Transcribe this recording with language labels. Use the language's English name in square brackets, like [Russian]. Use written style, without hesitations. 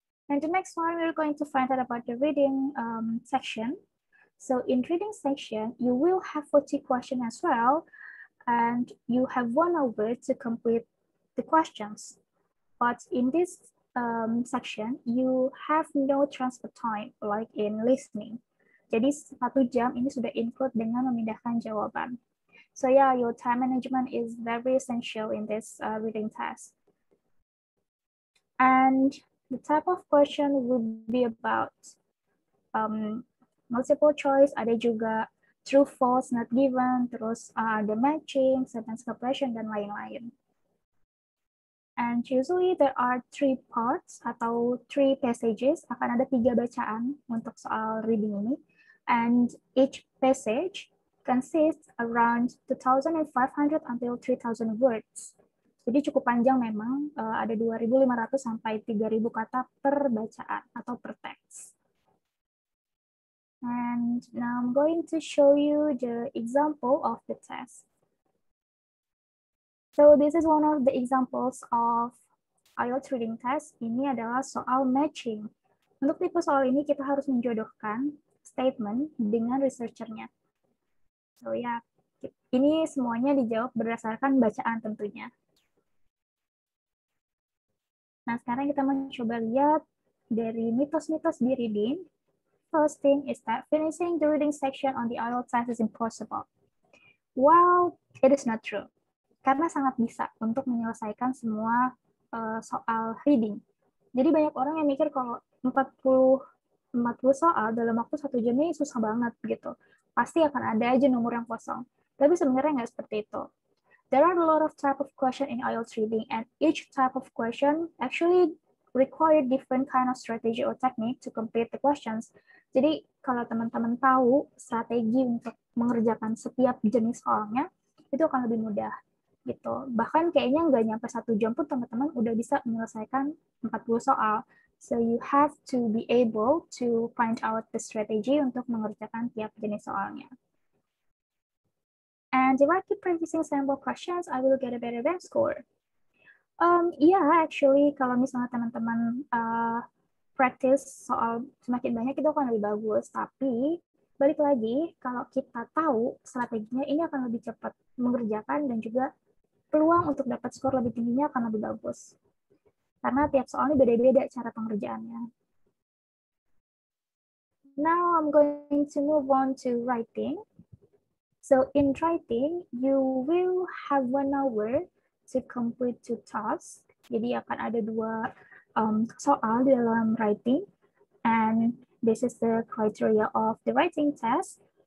[English] And the next one we're going to find out about the reading section. So in reading section, you will have 40 questions as well, and you have 1 hour to complete the questions. But in this section, you have no transfer time like in listening. [Indonesian] Jadi 1 jam ini sudah include dengan memindahkan jawaban. [English] So yeah, your time management is very essential in this reading test. And the type of question will be about multiple choice, [Indonesian] ada juga [English] true, false, not given, [Indonesian] terus [English] the matching, sentence completion, [Indonesian] dan lain-lain. [English] And usually there are 3 parts atau 3 passages, [Indonesian] akan ada 3 bacaan untuk soal reading ini. [English] And each passage consists around 2,500 until 3,000 words. [Indonesian] Jadi cukup panjang memang, ada 2.500 sampai 3.000 kata per bacaan atau per teks. [English] And now I'm going to show you the example of the test. So this is one of the examples of IELTS reading test. [Indonesian] Ini adalah soal matching. Untuk tipe soal ini kita harus menjodohkan statement dengan researchernya. So ya, ini semuanya dijawab berdasarkan bacaan tentunya. Nah, sekarang kita mencoba lihat dari mitos-mitos di reading. [English] First thing is that finishing the reading section on the IELTS test is impossible. Well, it is not true. [Indonesian] Karena sangat bisa untuk menyelesaikan semua soal reading. Jadi banyak orang yang mikir kalau 40 soal dalam waktu 1 jam ini susah banget gitu. Pasti akan ada aja nomor yang kosong. Tapi sebenarnya nggak seperti itu. [English] There are a lot of type of question in IELTS reading, and each type of question actually require different kind of strategy or technique to complete the questions. [Indonesian] Jadi kalau teman-teman tahu strategi untuk mengerjakan setiap jenis soalnya, itu akan lebih mudah gitu. Bahkan kayaknya nggak nyampe 1 jam pun teman-teman udah bisa menyelesaikan 40 soal. [English] So you have to be able to find out the strategy [Indonesian] untuk mengerjakan tiap jenis soalnya. [English] And if I keep practicing sample questions, I will get a better band score. Yeah, actually, [Indonesian] kalau misalnya teman-teman practice soal semakin banyak itu akan lebih bagus. Tapi balik lagi, kalau kita tahu strateginya, ini akan lebih cepat mengerjakan dan juga peluang untuk dapat skor lebih tingginya akan lebih bagus. Karena tiap soalnya beda-beda cara pengerjaannya. [English] Now I'm going to move on to writing. So in writing, you will have 1 hour to complete 2 tasks. [Indonesian] Jadi akan ada 2 soal di dalam writing. [English] And this is the criteria of the writing test.